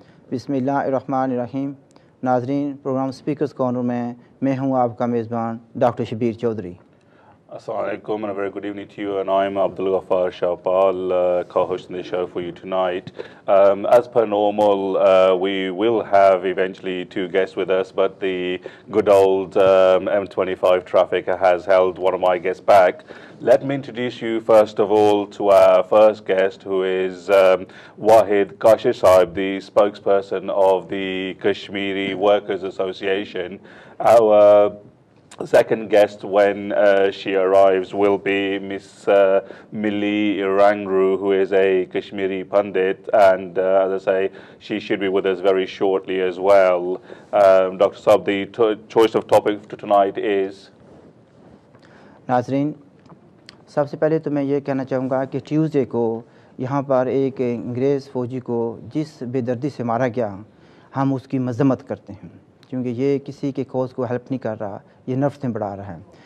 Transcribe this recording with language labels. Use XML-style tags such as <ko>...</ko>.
<hi>बिस्मिल्लाह रहमान रहीम। नाज़रीन, programme speakers corner में मैं हूं आपका मेज़बान डॉक्टर शबीर चौधरी।</hi> <en>अस्सलाम वालेकुम and a very good evening to you, and I am Abdul Gaffar Shahpal co-hosting the show for you tonight. As per normal, we will have eventually two guests with us, but the good old M25 traffic has held one of my guests back. Let me introduce you first of all to our first guest, who is Wahid Kashmir Sahib, the spokesperson of the Kashmiri Workers Association. Our second guest, when she arrives, will be Miss Mili Irangru, who is a Kashmiri pundit, and as I say, she should be with us very shortly as well. Dr. Saab, the choice of topic for tonight is?</en> <hi>Nazreen, सबसे पहले तो मैं ये कहना चाहूँगा कि Tuesday को यहाँ पर एक अंग्रेज फौजी को जिस बेदर्दी से मारा गया, हम उसकी मजम्मत करते हैं, क्योंकि ये किसी के कोज को हेल्प नहीं कर रहा, ये नफ्सें बढ़ा रहा है।</hi>